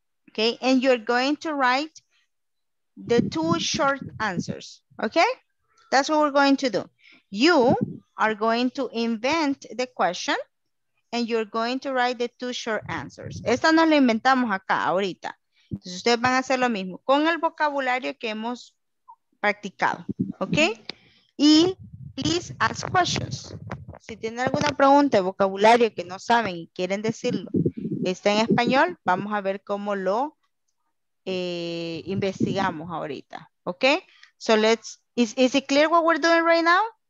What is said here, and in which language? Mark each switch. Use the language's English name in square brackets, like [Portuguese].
[English] Okay, and you're going to write the 2 short answers. Okay, that's what we're going to do. You are going to invent the question and you're going to write the 2 short answers. [Spanish] Esta no la inventamos acá, ahorita. Entonces ustedes van a hacer lo mismo con el vocabulario que hemos practicado, ¿ok? Y [English] please ask questions. [Spanish] Si tienen alguna pregunta de vocabulario que no saben y quieren decirlo, está en español, vamos a ver cómo lo investigamos ahorita, ¿ok? [English] So let's, is it clear what we're doing right now?